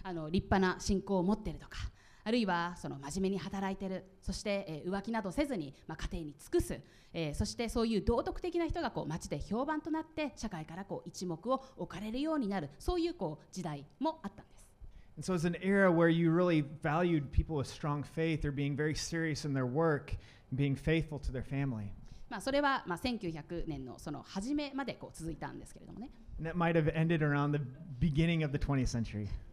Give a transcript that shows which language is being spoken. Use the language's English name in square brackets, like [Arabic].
[Japanese] 立派な信仰を持ってるとか、あるいはその真面目に働いてる、そして、浮気などせずに、家庭に尽くす、そしてそういう道徳的な人がこう街で評判となって、社会からこう一目を置かれるようになる、そういうこう時代もあったんです。 [English] And so it's an era where you really valued people with strong faith or being very serious in their work and being faithful to their family. [Japanese] それは1900年のその初めまでこう続いたんですけれどもね。 [English] And that might have ended around the beginning of the 20th century.